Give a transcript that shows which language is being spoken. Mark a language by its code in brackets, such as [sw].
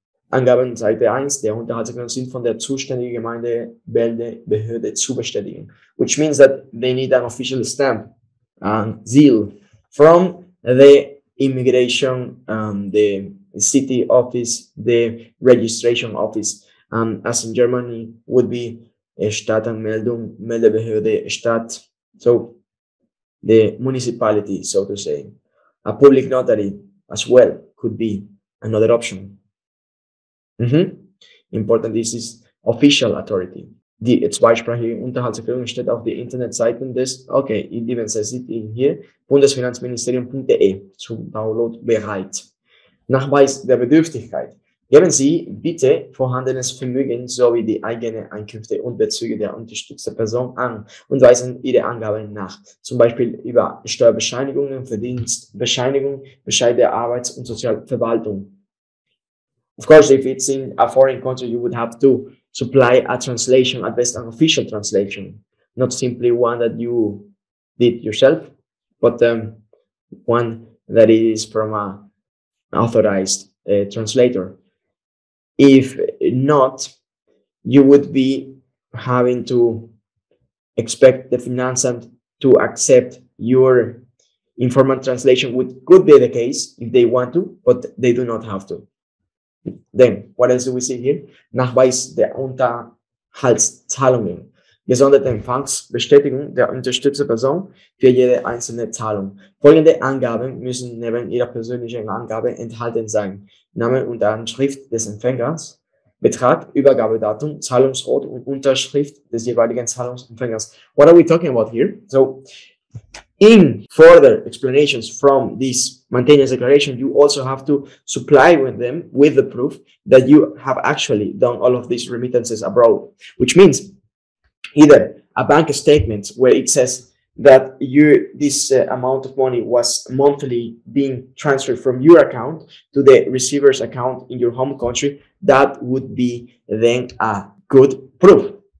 [de] Angaben Seite 1, der Unterhaltserklärung sind von der zuständigen Gemeinde, Belde, Behörde zu bestätigen, [en] which means that they need an official stamp, seal from the immigration, the city office, the registration office. As in Germany, would be Stadtanmeldung, Meldebehörde, Stadt. So, the municipality, so to say. A public notary as well could be another option. Mm-hmm. Important, this is official authority. [de] Die zweisprachige Unterhaltserklärung steht auf der Internetseite des, [en] okay, it even says it in here, [de] bundesfinanzministerium.de, zum Download bereit. Nachweis der Bedürftigkeit. Geben Sie bitte vorhandenes Vermögen sowie die eigenen Einkünfte und Bezüge der unterstützten Person an und weisen Ihre Angaben nach, zum Beispiel über Steuerbescheinigungen, Verdienstbescheinigung, Bescheid der Arbeits- und Sozialverwaltung. [en] Of course, if it's in a foreign country, you would have to supply a translation, at best an official translation, not simply one that you did yourself, but one that is from an authorized translator. If not, you would be having to expect the Finanzamt to accept your informal translation, which could be the case if they want to, but they do not have to. Then, what else do we see here? [de] Nachweis der Unterhaltszahlungen. Gesonderte Empfangsbestätigung der unterstützten Person für jede einzelne Zahlung. Folgende Angaben müssen neben Ihrer persönlichen Angabe enthalten sein. Name und Anschrift des Empfängers, Betrag, Übergabedatum, Zahlungsort und Unterschrift des jeweiligen Zahlungsempfängers. [en] What are we talking about here? So, in further explanations from this maintenance declaration, you also have to supply with them with the proof that you have actually done all of these remittances abroad, which means either a bank statement where it says that you this amount of money was monthly being transferred from your account to the receiver's account in your home country, that would be then a good proof.